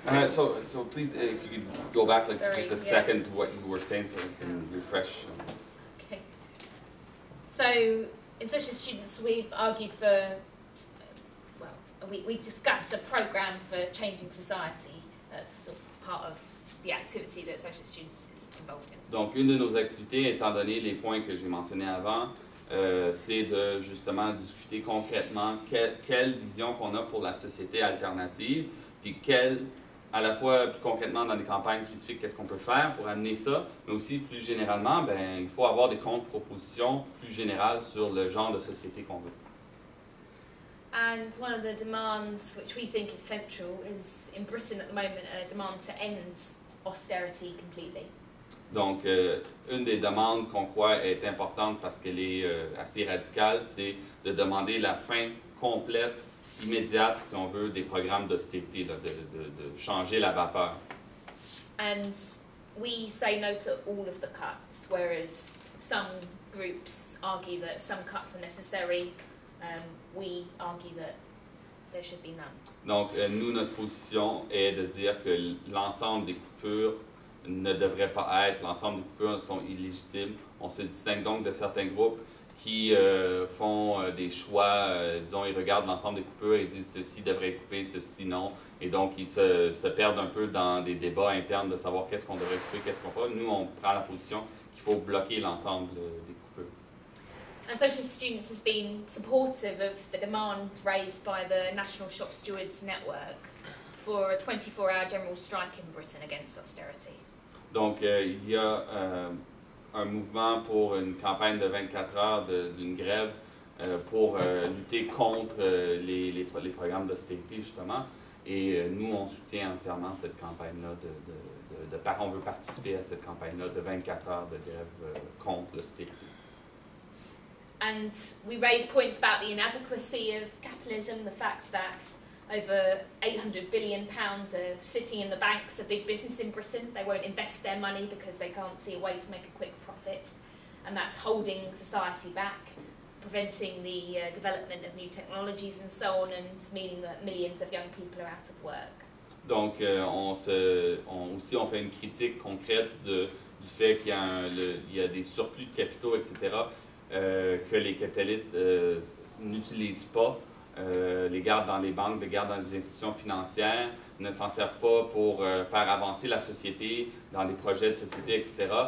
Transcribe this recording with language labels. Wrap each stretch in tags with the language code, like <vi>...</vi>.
<en>So please, if you could go back like just a second to what you were saying so we can refresh. Okay. So in Socialist Students, we've argued for, we discuss a programme for changing society. That's sort of part of the activity that Socialist Students is involved in.</en> <fr>Donc une de nos activités, étant donné les points que j'ai mentionnés avant, c'est de justement discuter concrètement quelle vision qu'on a pour la société alternative, puis quelle, à la fois plus concrètement dans des campagnes spécifiques, qu'est-ce qu'on peut faire pour amener ça, mais aussi plus généralement, ben, il faut avoir des contre-propositions plus générales sur le genre de société qu'on veut.</fr> <en>And one of the demands which we think is central is in Britain at the moment a demand to end austerity completely.</en> <fr>Donc, une des demandes qu'on croit est importante parce qu'elle est assez radicale, c'est de demander la fin complète, immédiate, si on veut, des programmes d'austérité, de changer la vapeur.</fr> <en>And we say no to all of the cuts, whereas some groups argue that some cuts are necessary, we argue that there should be none.</en> <fr>Donc, nous, notre position est de dire que l'ensemble des coupures ne devrait pas être, l'ensemble des coupures sont illégitimes. On se distingue donc de certains groupes qui font des choix, disons, ils regardent l'ensemble des coupures et disent ceci devrait être coupé, ceci non. Et donc, ils se perdent un peu dans des débats internes de savoir qu'est-ce qu'on devrait couper, qu'est-ce qu'on peut. Nous, on prend la position qu'il faut bloquer l'ensemble des coupures.</fr> <en>And Socialist Students has been supportive of the demand raised by the National Shop Stewards Network for a 24-hour general strike in Britain against austerity.</en> <fr>Donc, il y a un mouvement pour une campagne de 24 heures d'une grève pour lutter contre les programmes d'austérité, justement. Et nous, on soutient entièrement cette campagne-là. On veut participer à cette campagne-là de 24 heures de grève contre l'austérité.</fr> <en>And we raise points about the inadequacy of capitalism, the fact that over £800 billion are sitting in the banks of big business in Britain. They won't invest their money because they can't see a way to make a quick profit. And that's holding society back, preventing the development of new technologies and so on, and meaning that millions of young people are out of work.</en> <fr>Donc, on fait une critique concrète du fait qu'il y a il y a des surplus de capitaux, etc., que les capitalistes n'utilisent pas. Les gardes dans les banques, les gardes dans les institutions financières ne s'en servent pas pour faire avancer la société dans des projets de société, etc.</fr>